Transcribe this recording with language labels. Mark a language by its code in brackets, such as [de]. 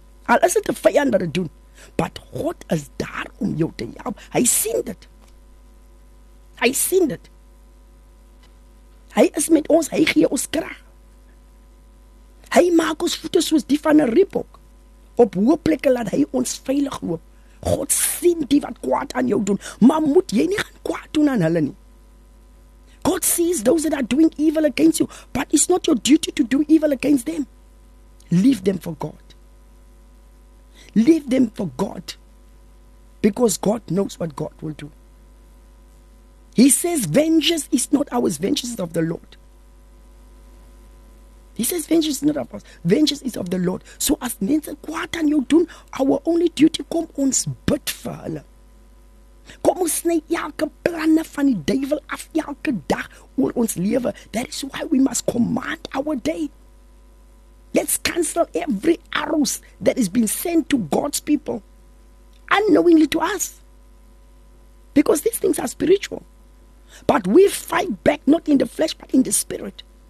[af] Al is dit 'n vyand wat dit doen, but God is daar om jou te help. Hy sien dit. Hy sien dit. Hy is met ons, hy gee ons krag. Hy maak ons voete soos die van 'n reebok. Op hoë plekke laat hy ons veilig loop. God sien die wat kwaad aan jou doen, maar moet jy nie gaan kwaad doen aan hulle nie. [en] God sees those that are doing evil against you, but it's not your duty to do evil against them. Leave them for God. Leave them for God. Because God knows what God will do. He says, vengeance is not ours, vengeance is of the Lord. He says, vengeance is not of us, vengeance is of the Lord. So as men say, [af] kwaad aan jou doen, [en] our only duty, [af] kom ons bid vir hulle. Kom ons sny elke planne van die duivel af elke dag oor ons lewe. [en] That is why we must command our day. Let's cancel every arrows that has been sent to God's people unknowingly to us. Because these things are spiritual. But we fight back not in the flesh but in the spirit.